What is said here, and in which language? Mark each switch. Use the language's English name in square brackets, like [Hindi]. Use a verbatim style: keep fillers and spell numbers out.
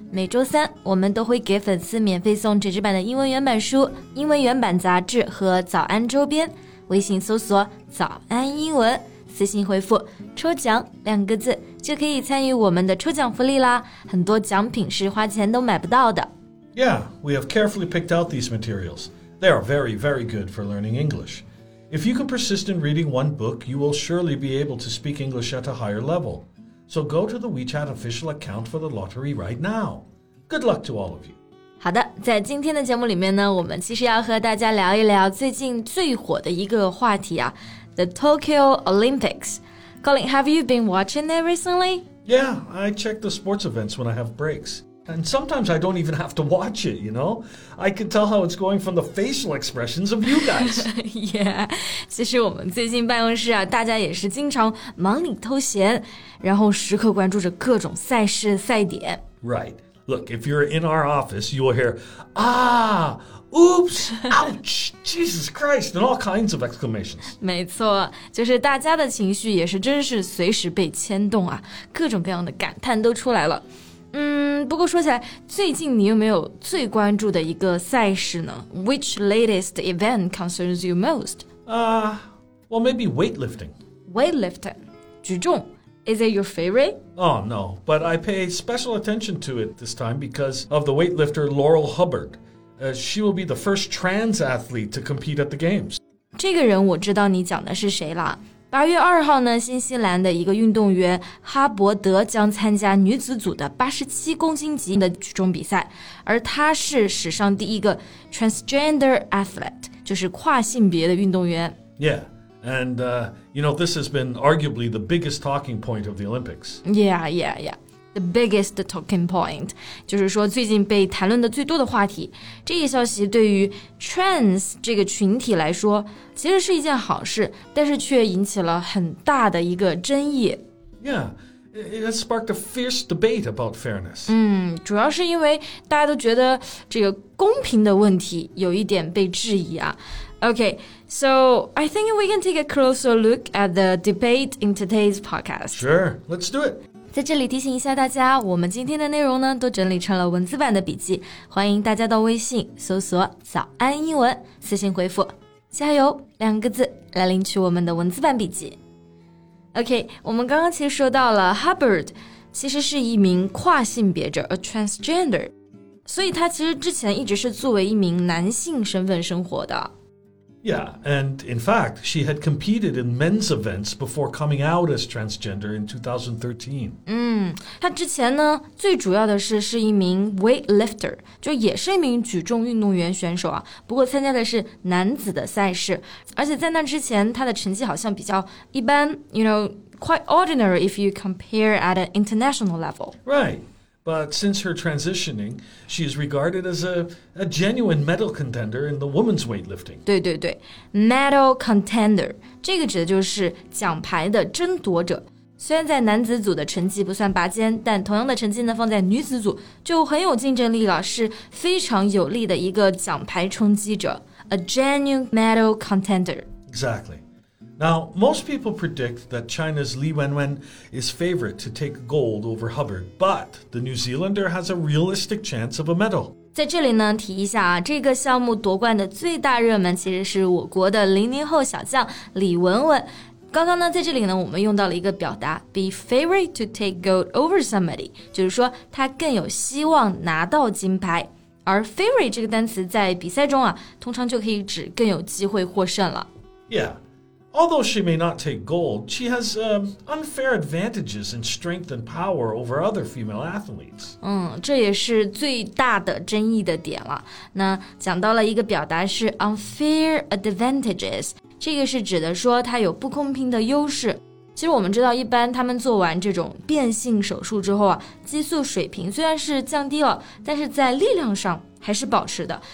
[Chinese] 每周三，我们都会给粉丝免费送纸质版的英文原版书、英文原版杂志和早安周边。微信搜索“早安英文”，私信回复“抽奖”两个字，就可以参与我们的抽奖福利啦。很多奖品是花钱都买不到的。 [English] Yeah, we have carefully picked out these materials. They are very, very good for learning English. If you can persist in reading one book, you will surely be able to speak English at a higher level. So go to the WeChat official account for the lottery right now. Good luck to all of you. [Chinese] 好的，在今天的节目里面呢，我们其实要和大家聊一聊最近最火的一个话题啊 ，The Tokyo Olympics. [English] Colin, have you been watching it recently? Yeah, I check the sports events when I have breaks. And sometimes I don't even have to watch it, you know? I can tell how it's going from the facial expressions of you guys. [Chinese] Yeah, 其实我们最近办公室啊，大家也是经常忙里偷闲，然后时刻关注着各种赛事赛点。 [English] Right. Look, if you're in our office, you will hear, ah, oops, ouch, Jesus Christ, and all kinds of exclamations. [Chinese] 没错，就是大家的情绪也是真是随时被牵动啊，各种各样的感叹都出来了。嗯，不过说起来，最近你有没有最关注的一个赛事呢 ？ [English] Which latest event concerns you most? Uh, well, maybe weightlifting. Weightlifting, 举重 Is it your favorite? Oh, no, but I pay special attention to it this time because of the weightlifter Laurel Hubbard. Uh, she will be the first trans athlete to compete at the games. [Chinese] 这个人我知道你讲的是谁啦。八月二号呢，新西兰的一个运动员哈伯德将参加女子组的八十七公斤级的举重比赛，而她是史上第一个 [English] transgender athlete， [Chinese] 就是跨性别的运动员。 [English] Yeah, and、uh, you know, this has been arguably the biggest talking point of the Olympics. Yeah, yeah, yeah. The biggest talking point. [Chinese] 就是说最近被谈论的最多的话题。这一消息对于 trans 这个群体来说其实是一件好事，但是却引起了很大的一个争议。 [English] Yeah, it has sparked a fierce debate about fairness. [Chinese] 嗯，主要是因为大家都觉得这个公平的问题有一点被质疑啊。 [English] Okay, so I think we can take a closer look at the debate in today's podcast. Sure, let's do it. [Chinese] 在这里提醒一下大家，我们今天的内容呢都整理成了文字版的笔记，欢迎大家到微信搜索早安英文，私信回复加油两个字来领取我们的文字版笔记。 OK， 我们刚刚其实说到了 Hubbard 其实是一名跨性别者 a transgender， 所以他其实之前一直是作为一名男性身份生活的。 [English] Yeah, and in fact, she had competed in men's events before coming out as transgender in twenty thirteen. [Chinese] 嗯，她之前呢，最主要的是是一名 weightlifter， 就也是一名举重运动员选手啊。不过参加的是男子的赛事，而且在那之前，她的成绩好像比较一般 ， [English] you know, quite ordinary if you compare at an international level. Right. But since her transitioning, she is regarded as a, a genuine medal contender in the women's weightlifting. [Chinese] 对对对 medal contender, 这个指的就是奖牌的争夺者。虽然在男子组的成绩不算拔尖，但同样的成绩呢放在女子组就很有竞争力了，是非常有力的一个奖牌冲击者 [English] a genuine medal contender. Exactly. Now, most people predict that China's Li Wenwen is favorite to take gold over Hubbard, but the New Zealander has a realistic chance of a medal. [Chinese] 在这里呢，提一下啊，这个项目夺冠的最大热门其实是我国的零零后小将李雯雯。刚刚呢，在这里呢，我们用到了一个表达 [English] be favorite to take gold over somebody， [Chinese] 就是说他更有希望拿到金牌。而 favorite 这个单词在比赛中啊，通常就可以指更有机会获胜了。 [English] Yeah. Although she may not take gold, she has、um, unfair advantages in strength and power over other female athletes. [Chinese] 嗯，这也是最大的争议的点了。那讲到了一个表达是 unfair advantages， 这个是指的说它有不公平的优势。其实我们知道，一般他们做完这种变性手术之后啊，激素水平虽然是降低了，但是在力量上还是保持的。